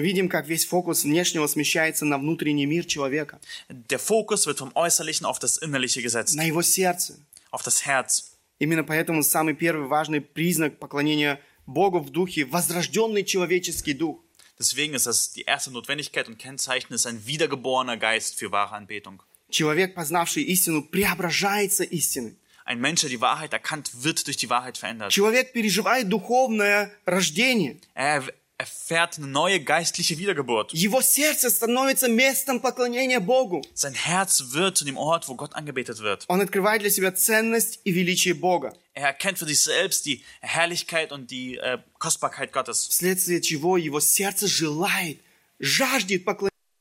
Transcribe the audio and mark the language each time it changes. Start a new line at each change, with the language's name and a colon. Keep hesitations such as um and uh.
Russian: видим, как весь фокус внешнего смещается на внутренний мир человека.
German: Der Fokus wird vom Äußerlichen auf das Innerliche gesetzt,
Russian: на его сердце.
German: Auf das Herz.
Russian: Именно поэтому самый первый важный признак поклонения Богу в духе – возрожденный человеческий дух.
German: Deswegen ist das die erste Notwendigkeit und Kennzeichen ist ein wiedergeborener Geist für wahre Anbetung.
Russian: Человек, познавший истину, преображается истиной.
German: Ein Mensch, der die Wahrheit erkannt, wird durch die Wahrheit verändert.
Russian: Человек переживает духовное рождение.
German: Er erfährt eine neue geistliche Wiedergeburt.
Russian: Его сердце становится местом поклонения Богу.
German: Sein Herz wird zu dem Ort, wo Gott angebetet wird.
Russian: Он открывает для себя ценность и величие Бога.
German: Er erkennt für sich selbst die Herrlichkeit und die äh, Kostbarkeit Gottes.
Russian: Вследствие чего его сердце желает, жаждет поклонения.